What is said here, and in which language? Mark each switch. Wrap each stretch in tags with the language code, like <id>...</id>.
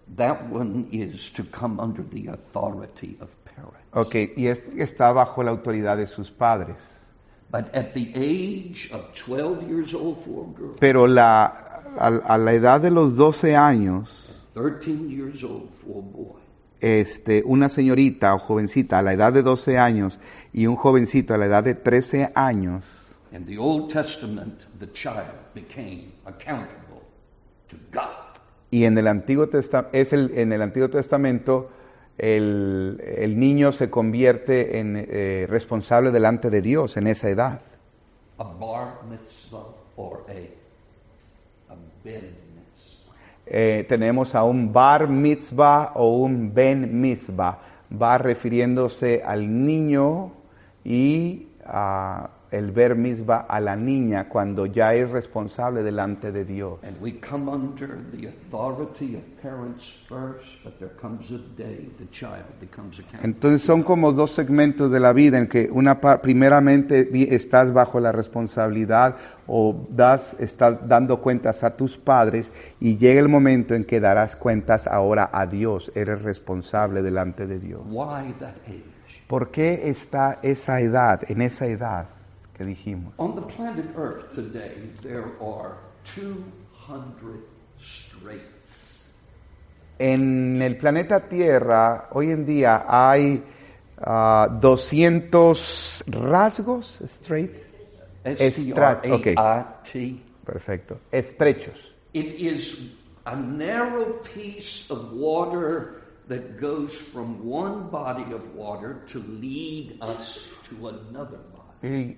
<en>That one is to come under the authority of parents.</en> <es>Ok, y está bajo la autoridad de sus padres.</es> <en>But at the age of 12 years old for a girl.</en> <es>Pero a la edad de los 12 años.</es> <en>13 years old for a boy.</en> <es>Una señorita o jovencita a la edad de 12 años y un jovencito a la edad de 13 años.</es> <en>In the Old Testament, the child became accountable to God.</en> <es>Y en el Antiguo Testamento el niño se convierte en responsable delante de Dios en esa edad.</es> <en>A bar mitzvah or a ben mitzvah.</en> <es>Tenemos a un bar mitzvah o un ben mitzvah. Va refiriéndose al niño y a el ber mitzvah a la niña cuando ya es responsable delante de Dios.</es> <en>And we come under the authority of parents first, but there comes a day the child becomes accountable.</en> <es>Entonces son como dos segmentos de la vida en que una primeramente estás bajo la responsabilidad o estás dando cuentas a tus padres y llega el momento en que darás cuentas ahora a Dios, eres responsable delante de Dios.</es> <en>Why that age?</en> <es>¿Por qué está esa edad, en esa edad? Que dijimos.</es> <en>On the planet Earth today, there are 200 straits.</en> <es>En el planeta Tierra, hoy en día, hay 200 rasgos, straits.</es> <en>S-T-R-A-I-T.</en> <es>Perfecto. Estrechos.</es> <en>It is a narrow piece of water that goes from one body of water to lead us to another body.</en>